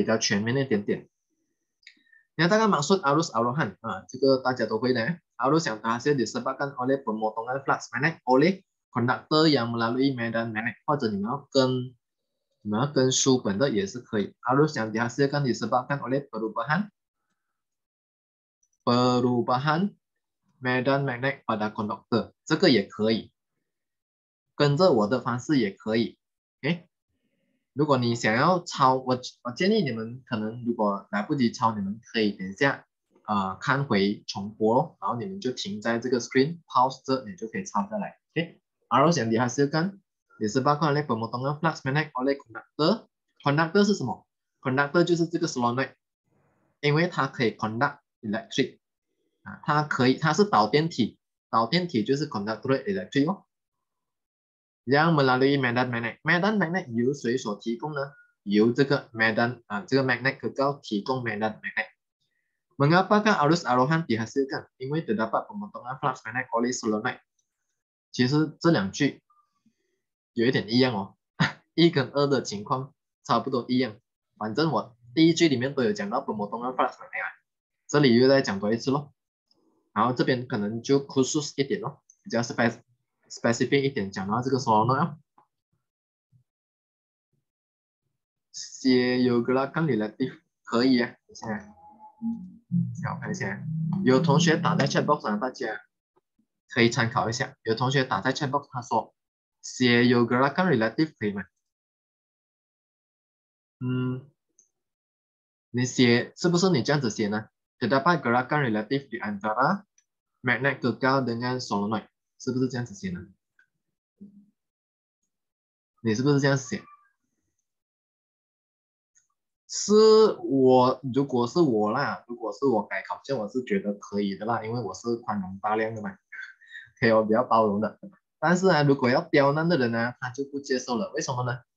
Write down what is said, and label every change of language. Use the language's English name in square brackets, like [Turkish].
[Chinese] 所以这句话它有模糅的地点，但是可能它也没有影响到接下来的回答，可能没有影响到接下来的回答。所以重要的是什么？阅读下面的问题，给它比较全面一点点。你要大概 [Malay] maksud arus arahan [Chinese] 啊，这个大家都会的。 [Malay] arus yang terhasil disebabkan oleh pemotongan flux magnet oleh conductor yang melalui medan magnet， [Chinese] 或者你们要跟书本的也是可以。 [Malay] arus yang dihasilkan disebabkan oleh perubahan medan magnet pada conductor， [Chinese] 这个也可以跟着我的方式也可以。哎，如果你想要抄，我建议你们可能如果来不及抄，你们可以等一下看回重播，然后你们就停在这个 screen pause 这，你就可以抄下来。哎， [Malay] arus yang dihasilkan disebabkan oleh pemotongan flux magnet oleh conductor， [Chinese] conductor 是什么？ conductor 就是这个 solenoid， 因为它可以 conduct electric。它是导电体，导电体就是 conductor electric 哦。 [Malay] Yang melalui medan magnet， [Chinese] medan magnet 由谁所提供呢？由这个 medan 啊，这个 magnet 可够提供 medan magnet。 [Malay] Mengapakah arus arahan dihasilkan？ [Chinese] 因为 [Malay] terdapat pemotongan flux magnet oleh solenoid。 [Chinese] 其实这两句有一点一样哦，一跟二的情况差不多一样。反正我第一句里面都有讲到 pemotongan flux magnet 啊，这里又再讲多一次咯。然后这边可能就 khusus 一点咯，比较 specific 一点，讲到这个 solenoid。写 gerakan relatif 可以啊，现在，让我看一下，有同学打在 chat box 啊，大家可以参考一下。有同学打在 chat box， 他说写 gerakan relatif 可以吗？嗯，你写是不是你这样子写呢？ [Malay] Terdapat gerakan relatif di antara magnet gagal dengan solenoid， [Chinese] 是不是这样子写呢？你是不是这样写？是我，如果是我啦，如果是我改考卷，我是觉得可以的啦，因为我是宽容大量的嘛，可以，我比较包容的。但是啊，如果要刁难的人呢，他就不接受了，为什么呢？